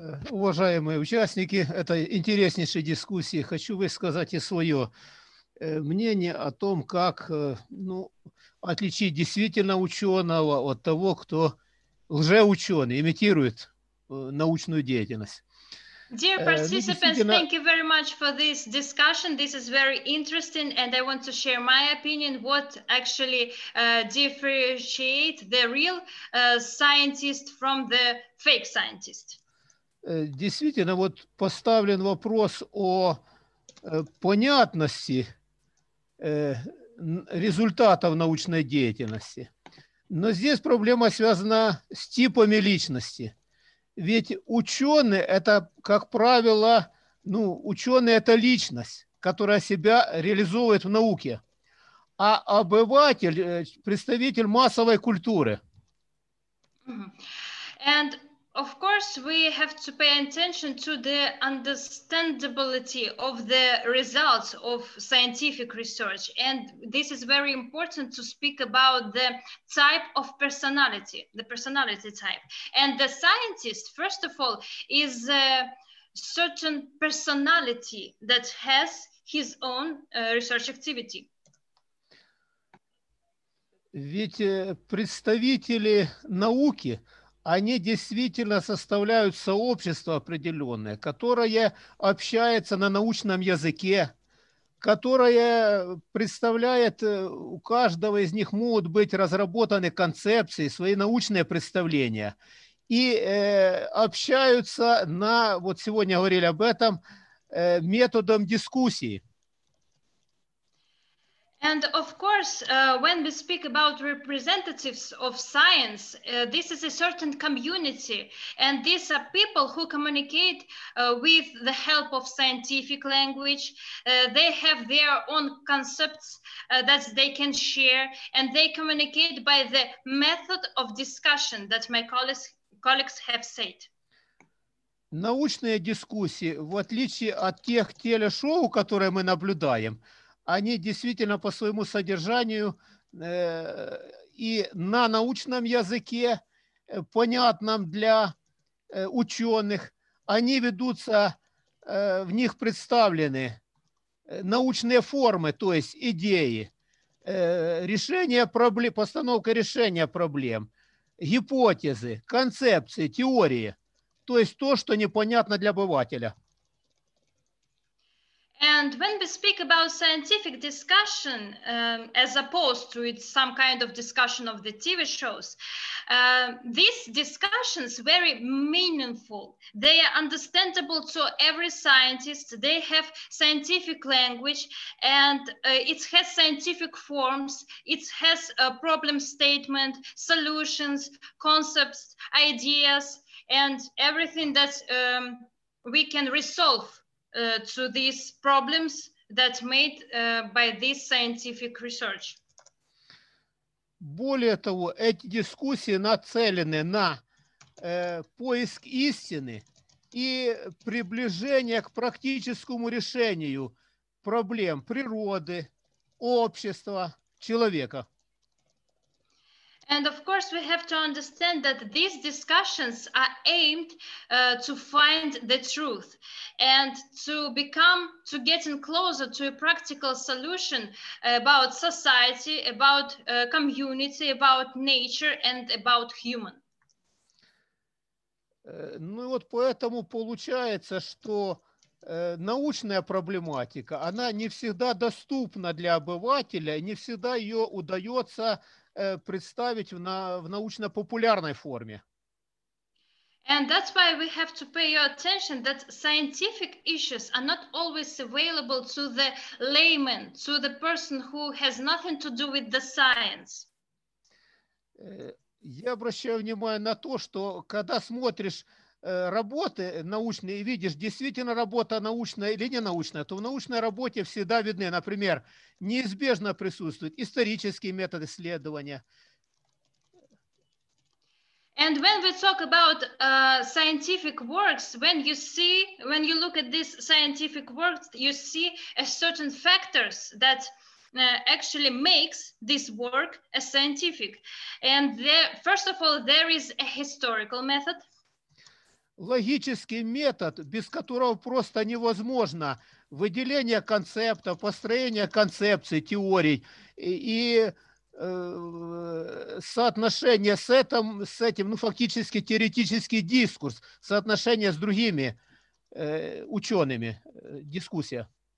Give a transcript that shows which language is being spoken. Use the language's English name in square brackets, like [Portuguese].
[Russian] Уважаемые участники этой интереснейшей дискуссии, хочу высказать и свое мнение о том, как отличить действительно ученого от того, кто лжеученый, имитирует научную деятельность. [English] Dear participants, thank you very much for this discussion. This is very interesting, and I want to share my opinion, what actually differentiate the real scientist from the fake scientist. [Russian] Действительно, вот поставлен вопрос о понятности результатов научной деятельности. Но здесь проблема связана с типами личности. Ведь ученые – это, как правило, ученые – это личность, которая себя реализовывает в науке. А обыватель – представитель массовой культуры. [English] And of course, we have to pay attention to the understandability of the results of scientific research. And this is very important to speak about the type of personality, the personality type. And the scientist, first of all, is a certain personality that has his own research activity. [Russian] Ведь представители науки, они действительно составляют сообщество определенное, которое общается на научном языке, которое представляет, у каждого из них могут быть разработаны концепции, свои научные представления, и общаются на, вот сегодня говорили об этом, методом дискуссии. [English] And of course, when we speak about representatives of science, this is a certain community, and these are people who communicate with the help of scientific language. They have their own concepts that they can share, and they communicate by the method of discussion that my colleagues have said. [Russian] Научные дискуссии, в отличие от тех телешоу, которые мы наблюдаем, они действительно по своему содержанию и на научном языке, понятном для ученых, они ведутся, в них представлены научные формы, то есть идеи, решение проблем, постановка решения проблем, гипотезы, концепции, теории, то есть то, что непонятно для обывателя. [English] And when we speak about scientific discussion, as opposed to it's some kind of discussion of the TV shows, these discussions are very meaningful. They are understandable to every scientist. They have scientific language, and it has scientific forms. It has a problem statement, solutions, concepts, ideas, and everything that we can resolve. To these problems that made by this scientific research. [Russian] Более того, эти дискуссии нацелены на поиск истины и приближение к практическому решению проблем природы, общества, человека. [English] And of course, we have to understand that these discussions are aimed to find the truth and to become, to getting closer to a practical solution about society, about community, about nature and about human. [Russian] Ну вот поэтому получается, что научная проблематика, она не всегда доступна для обывателя, не всегда ее удается представить в научно-популярной форме. [English] And that's why we have to pay your attention that scientific issues are not always available to the layman, to the person who has nothing to do with the science. [Russian] Я обращаю внимание на то, что когда смотришь работы научные и видишь, действительно работа научная или не научная, то в научной работе всегда видны, например, неизбежно присутствуют исторические методы исследования. [English] And when we talk about scientific works, when you see, when you look at these scientific works, you see a certain factors that actually makes this work a scientific. And there, first of all, there is a historical method. [Russian] Логический метод, без которого просто невозможно выделение концептов, построение концепций, теорий и соотношение с этим, ну фактически теоретический дискурс, соотношение с другими учеными, дискуссия.